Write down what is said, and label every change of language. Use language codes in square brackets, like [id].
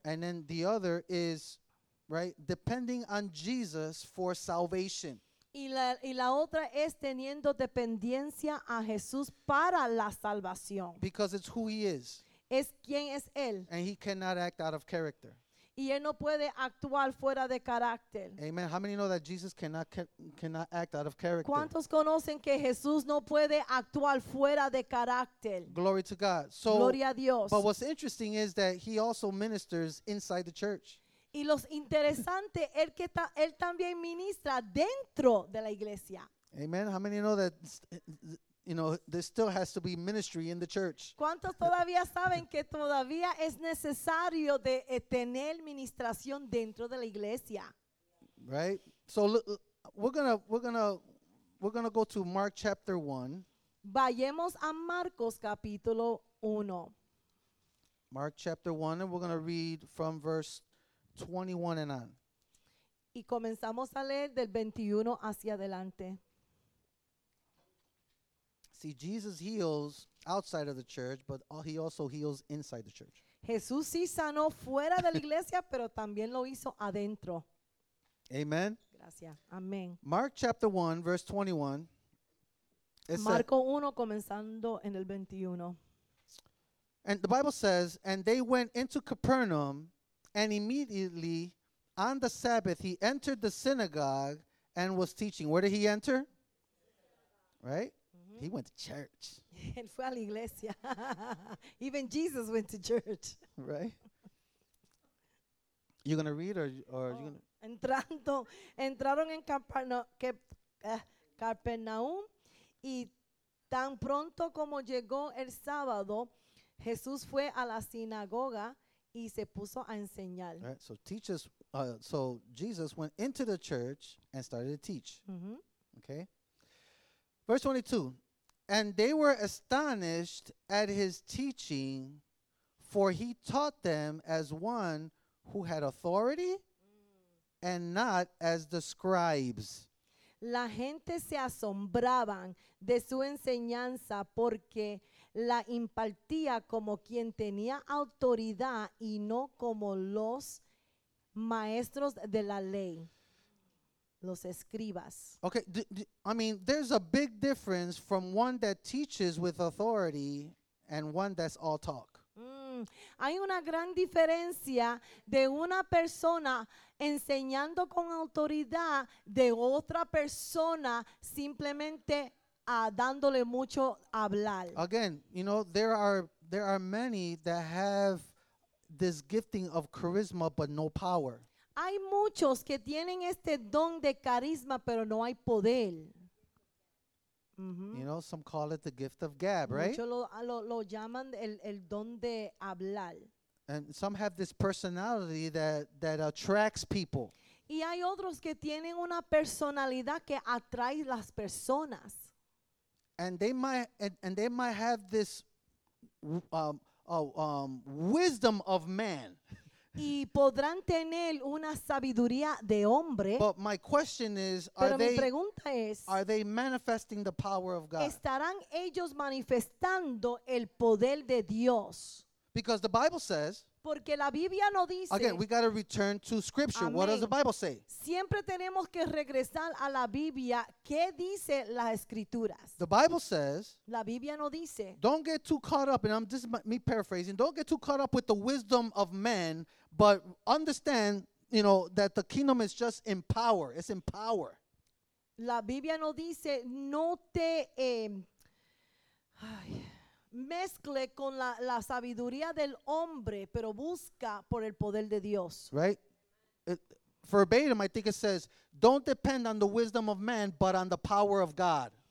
[en] And then the other is, right, depending on Jesus for salvation. [es] Y la otra es teniendo dependencia a Jesús para la salvación. [en] Because it's who he is. [es] Es quien es él. [en] And he cannot act out of character. [es] Y él no puede actuar fuera de carácter. [en] Amen. How many know that Jesus cannot act out of character? [es] ¿Cuántos conocen que Jesús no puede actuar fuera de carácter? [en] Glory to God. So, [es] Gloria a Dios. [en] But what's interesting is that he also ministers inside the church. [es] Y lo interesante es que él también ministra dentro de la iglesia. [en] Amen. How many know that you know there still has to be ministry in the church? [es] ¿Cuántos todavía saben que todavía es necesario de tener ministración dentro de la iglesia? [en] Right. So we're gonna go to Mark chapter 1. [es] Vayamos a Marcos capítulo 1. [en] Mark chapter 1, and we're gonna read from verse 21 and on. [es] Y comenzamos a leer del 21 hacia adelante. [en] See, Jesus heals outside of the church, but he also heals inside the church. [es] Jesús sí sanó fuera de la iglesia, pero también lo hizo adentro. [en] Amen. [es] Gracias. Amén. [en] Mark chapter 1, verse 21. [es] Marco 1, comenzando en el 21. [en] And the Bible says, and they went into Capernaum, and immediately on the Sabbath he entered the synagogue and was teaching. Where did he enter? Right? Mm-hmm. He went to church. [es] Él fue a la iglesia. [en] Even Jesus went to church. Right? You going to read or you going to? [es] Entraron en Capernaum y tan pronto como llegó el sábado, Jesús fue a la sinagoga y se puso a enseñar. [en] Right, so Jesus went into the church and started to teach. Mm-hmm. Okay. Verse 22. And they were astonished at his teaching, for he taught them as one who had authority and not as the scribes. [es] La gente se asombraban de su enseñanza porque la impartía como quien tenía autoridad y no como los maestros de la ley, los escribas. [en] Okay, there's a big difference from one that teaches with authority and one that's all talk. [es] Hay una gran diferencia de una persona enseñando con autoridad de otra persona simplemente dándole mucho hablar. [en] Again, you know, there are many that have this gifting of charisma but no power. [es] Hay muchos que tienen este don de carisma pero no hay poder. Mm-hmm. [en] You know, some call it the gift of gab, right? [es] Muchos lo llaman el don de hablar. [en] And some have this personality that attracts people. [es] Y hay otros que tienen una personalidad que atrae las personas. [en] and they might have this wisdom of man. [es] Y podrán tener una sabiduría de hombre. [en] But my question is, are they manifesting the power of God? [es] ¿Estarán ellos manifestando el poder de Dios? [en] Because the Bible says, [es] porque la Biblia no dice, [en] again, we got to return to Scripture. [es] Amén. [en] What does the Bible say? [es] Siempre tenemos que regresar a la Biblia. ¿Qué dice las Escrituras? [en] The Bible says, [es] la Biblia no dice, [en] don't get too caught up, and this is me paraphrasing, don't get too caught up with the wisdom of men, but understand, you know, that the kingdom is just in power. It's in power. [es] La Biblia no dice, no te mezcle con la sabiduría del hombre, pero busca por el poder de Dios. [en] Right? Verbatim, I think it says, don't depend on the wisdom of man, but on the power of God.